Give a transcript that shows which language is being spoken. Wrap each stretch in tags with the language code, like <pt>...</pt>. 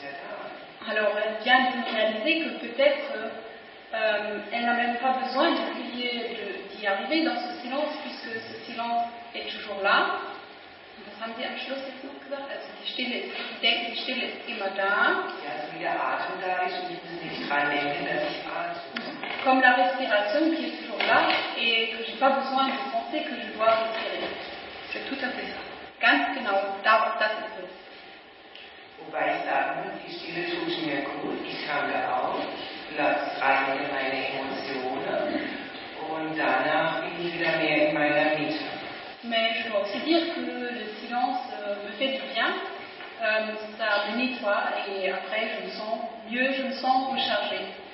<fr>penser que peut-être elle n'a même pas besoin de prier, d'y arriver dans ce silence, puisque ce silence est toujours là.</fr> <de>Was haben Sie am Schluss jetzt noch gesagt? Also die Stille, ich denke, die Stille ist immer da. Ja, so wie der Atem da ist und ich muss nicht dran denken, dass ich atme.</de> <fr>Comme la respiration qui est toujours là et que je n'ai pas besoin de penser que je dois respirer. C'est tout à fait ça.</fr> <de>Ganz genau, darauf, das ist es. Wobei ich sage, die Stille tut es mir gut. Ich habe auch Platz rein in meine Emotionen und danach bin ich wieder mehr in meiner Mitte.</de> <fr>Mais je dois aussi dire que le silence me fait du bien, ça me nettoie et après je me sens mieux, je me sens rechargée.</fr>